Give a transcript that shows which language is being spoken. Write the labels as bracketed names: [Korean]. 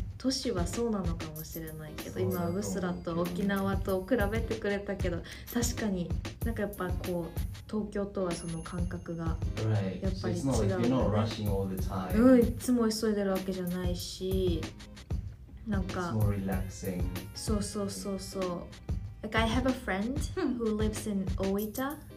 [Japanese] 都市はそうなのかもしれないけど、今ウスラと沖縄と比べてくれたけど、確かになんかやっぱこう東京とはその感覚がやっぱり違う。 [English] Right. So it's not like you're not rushing all the time. [Japanese] いつも急いでるわけじゃないし、なんか。 [English] It's more relaxing. [Japanese] そうそうそうそう。 [English] Like I have a friend who lives in Oita.